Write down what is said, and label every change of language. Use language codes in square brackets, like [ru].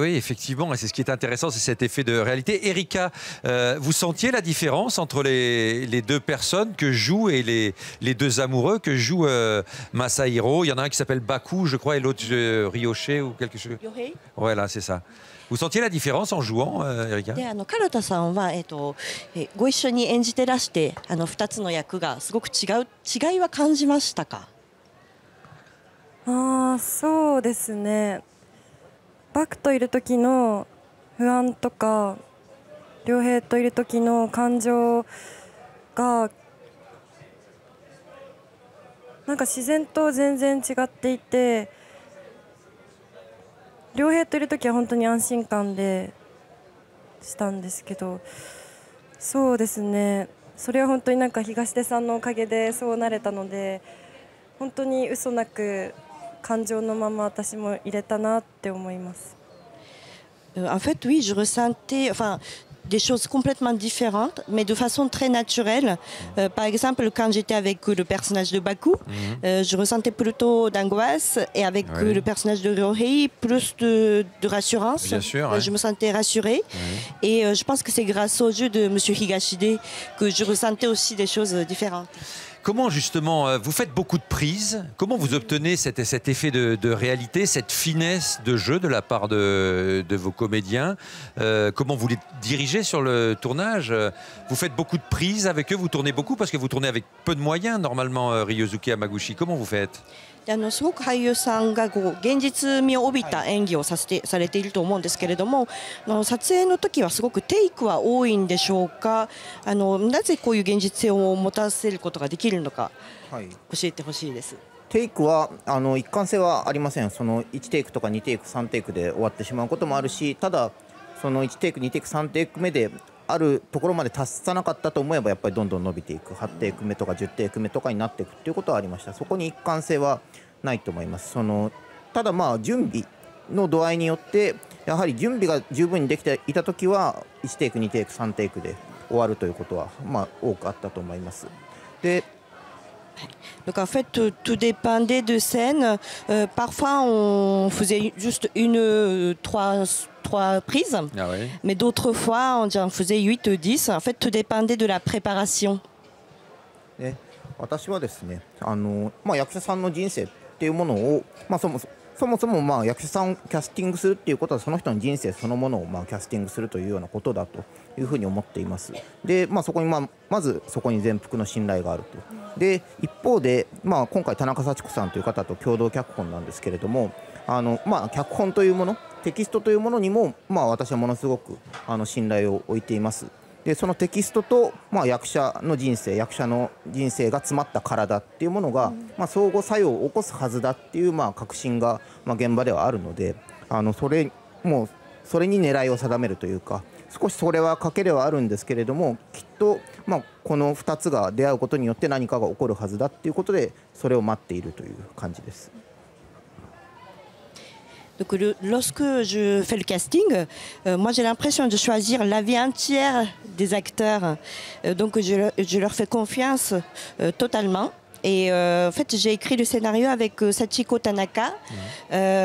[fr] Oui, effectivement, et c'est ce qui est intéressant, c'est cet effet de réalité. Erika, vous sentiez la différence entre les deux personnes que jouent et les deux amoureux que joue Masahiro? Il y en a un qui s'appelle Baku, je crois, et l'autre Ryoshi ou quelque chose. Yohei. Voilà, c'est ça. Vous sentiez la différence en jouant, Erika ? [ja] カルタさんは、ご一緒に演じてらして、2つの役がすごく違いは感じましたか？ああ、そうですね。バクといる時の不安とか、良平といる時の感情が、なんか自然と全然違っていて、良平といる時は本当に安心感でしたんですけど、そうですね、それは本当になんか東出さんのおかげでそうなれたので、本当に嘘なく感情のまま私も入れたなって思います。 [fr] En fait, oui, je ressentais, enfin, des choses complètement différentes, mais de façon très naturelle. Par exemple, quand j'étais avec le personnage de Baku, je ressentais plutôt d'angoisse, et avec le personnage de Ryohei, plus de rassurance. Bien sûr, je me sentais rassurée. Et je pense que c'est grâce au jeu de M. Higashide que je ressentais aussi des choses différentes. Comment justement, vous faites beaucoup de prises, comment vous obtenez cet effet de réalité, cette finesse de jeu de la part de vos comédiens, comment vous les dirigez sur le tournage, vous faites beaucoup de prises avec eux, vous tournez beaucoup parce que vous tournez avec peu de moyens normalement, Ryosuke Hamaguchi, comment vous faites ? [ja] すごく俳優さんがこう現実味を帯びた演技をされていると思うんですけれども撮影の時はすごくテイクは多いんでしょうかなぜこういう現実性を持たせることができるのか教えてほしいです、はい、テイクは一貫性はありませんその1テイクとか2テイク3テイクで終わってしまうこともあるしただその1テイク2テイク3テイク目であるところまで達さなかったと思えばやっぱりどんどん伸びていく8テイク目とか10テイク目とかになっていくっていうことはありましたそこに一貫性はないと思いますそのただまあ準備の度合いによってやはり準備が十分にできていたときは1テイク2テイク3テイクで終わるということはまあ多くあったと思いますで [fr] Donc en fait, tout dépendait de scène. Parfois, on faisait juste une, trois prises. Ah oui. Mais d'autres fois, on en faisait 8 ou 10. En fait, tout dépendait de la préparation. [ja] Et, 私はですね、まあ、役者さんの人生っていうものを、まあ、そもそも、まあ、役者さんをキャスティングするっていうことはその人の人生そのものを、まあ、キャスティングするというようなことだというふうに思っています。で、まあ、そこに、まあ、まずそこに全幅の信頼があると。で一方で、まあ、今回田中幸子さんという方と共同脚本なんですけれどもまあ、脚本というものテキストというものにも、まあ、私はものすごく信頼を置いていますでそのテキストと、まあ、役者の人生が詰まった体っていうものが、うんまあ、相互作用を起こすはずだっていう、まあ、確信が、まあ、現場ではあるのでそれに狙いを定めるというか少しそれは欠けではあるんですけれどもきっと、まあ、この2つが出会うことによって何かが起こるはずだということでそれを待っているという感じです。 [fr] Donc, lorsque je fais le casting, moi j'ai l'impression de choisir la vie entière des acteurs. Donc, je leur fais confiance totalement. Et en fait, j'ai écrit le scénario avec Sachiko Tanaka. Mmh.